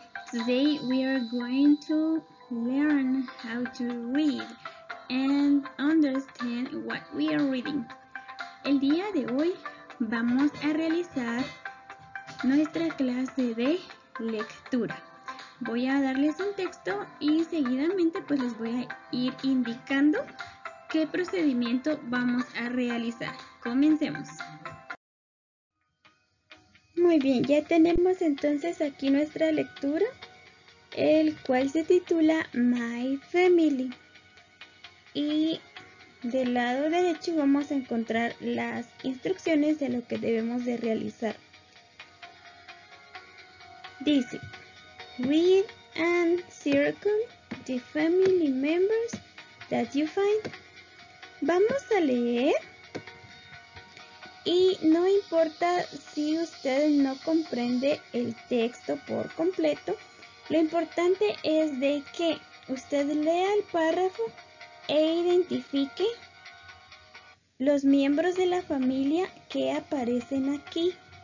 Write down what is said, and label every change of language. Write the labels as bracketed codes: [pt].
[en] Today we are going to learn how to read and understand what we are reading. [es] El día de hoy vamos a realizar nuestra clase de lectura. Voy a darles un texto y seguidamente pues les voy a ir indicando qué procedimiento vamos a realizar. Comencemos. Muy bien, ya tenemos entonces aquí nuestra lectura, el cual se titula My Family. Y del lado derecho vamos a encontrar las instrucciones de lo que debemos de realizar. Dice, [en] read and circle the family members that you find. [es] Vamos a leer. Y no importa si usted no comprende el texto por completo, lo importante es de que usted lea el párrafo e identifique los miembros de la familia que aparecen aquí.